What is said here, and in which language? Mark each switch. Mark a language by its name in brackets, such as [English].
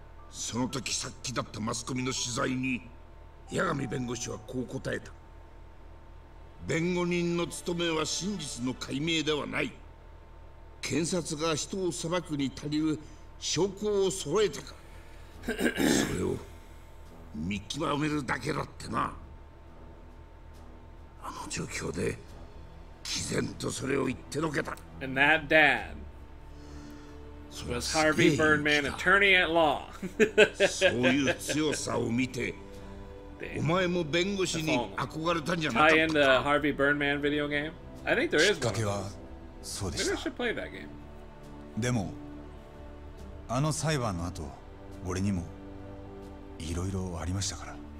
[Japanese] その時殺気だったマスコミの取材に八神弁護士はこう答えた弁護人の務めは真実の解明ではない検察が人を裁くに足りる証拠を揃えたかそれを見極めるだけだってなあの状況で毅然とそれを言ってのけた [English] And that dad was Harvey Birdman, attorney at law [Japanese] そういう強さを見てお前も弁護士に憧れたんじゃなかったか [English] Tie in the Harvey Birdman video game? I think there is one [Japanese] きっかけはそうでした [English] Maybe I should play that game [Japanese] でもあの裁判の後、俺にもいろいろありましたから。